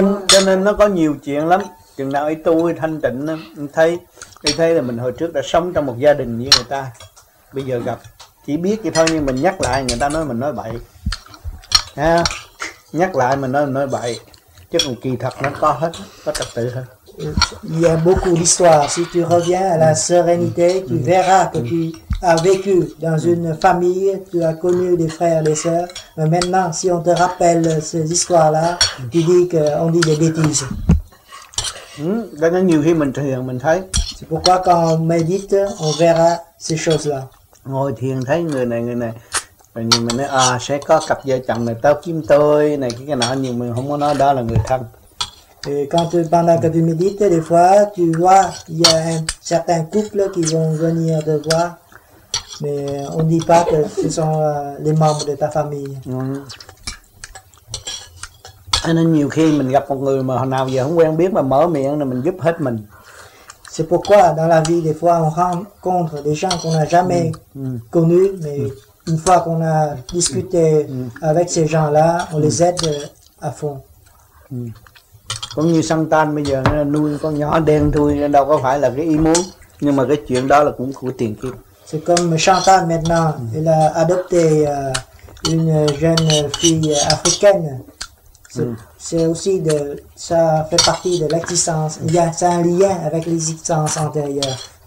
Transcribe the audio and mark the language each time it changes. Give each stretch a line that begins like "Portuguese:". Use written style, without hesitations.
Vietnamese: Cho nên nó có nhiều chuyện lắm. Chừng nào ấy tôi thanh tịnh, thấy là mình hồi trước đã sống trong một gia đình như người ta. Bây giờ gặp. Chỉ biết vậy thôi, nhưng mình nhắc lại người ta nói mình nói bậy. Ha? Nhắc lại mình nói bậy. Chứ còn kỳ thật nó có hết, có trật tự hơn.
French: Il y a beaucoup d'histoires. Si tu reviens à la sérénité, tu verras que tu as vécu dans une famille, tu as connu des frères et des sœurs. Mais maintenant, si on te rappelle ces histoires-là, tu dis qu'on dit des bêtises.
Vietnamese: Là nhiều khi mình thiền, mình thấy.
French: C'est pourquoi quand on médite, on verra ces choses-là.
Vietnamese: Ngồi thiền thấy người này rồi nhìn mình nói à sẽ có cặp vợ chồng này tao kiếm tôi này cái nọ, nhưng mình không có nói đó là người thân.
French: Et quand tu pendant que tu médites des fois tu vois il y a un certain couple qui vont venir te voir mais on dit pas que ce sont les membres de ta famille.
Vietnamese: Nên nhiều khi mình gặp một người mà nào giờ không quen biết mà mở miệng là mình giúp hết mình.
French: C'est pourquoi dans la vie des fois on rencontre des gens qu'on n'a jamais connus, mais une fois qu'on a discuté avec ces gens-là, on les aide à fond.
Vietnamese: Cũng như Santan bây giờ nuôi con nhỏ đen thui đâu có phải là cái ý muốn, nhưng mà cái chuyện đó là cũng của tiền kiếp.
French: C'est comme Santan maintenant, il a adopté une jeune fille africaine. C'est aussi de ça fait partie de l'existence. Il y a ça un lien avec l'existence antérieure.